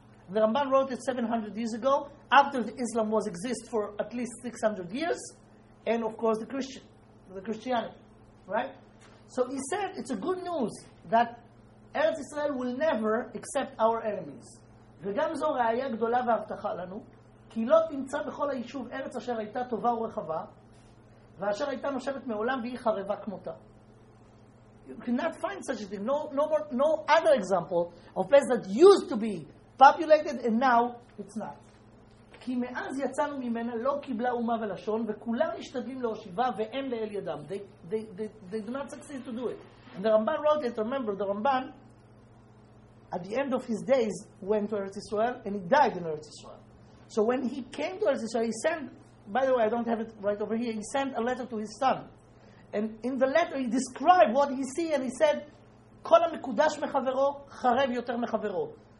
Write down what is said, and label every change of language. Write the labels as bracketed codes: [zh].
[en] The Ramban wrote it 700 years ago, after the Islam was exist for at least 600 years, and of course the Christianity, right? So he said it's a good news that Eretz Israel will never accept our enemies. [he] וגם זו ראייה גדולה והבטחה לנו, כי לא תמצא בכל היישוב ארץ אשר הייתה טובה ורחבה, ואשר הייתה נושבת מעולם והיא חרבה כמותה. [en] You cannot find such a thing. No other example of place that used to be populated, and now it's not. [he] כי מאז יצאנו ממנה לא קיבלה אומה ולשון, וכולם משתדלים להושיבה, ואין לאל ידם. [en] They do not succeed to do it. And the Ramban wrote it, remember, the Ramban, at the end of his days, went to Eretz Israel, and he died in Eretz Israel. So when he came to Eretz Israel, he sent, by the way, I don't have it right over here, he sent a letter to his son. And in the letter, he described what he see, and he said, [he] כל המקודש מחברו, חרב יותר מחברו.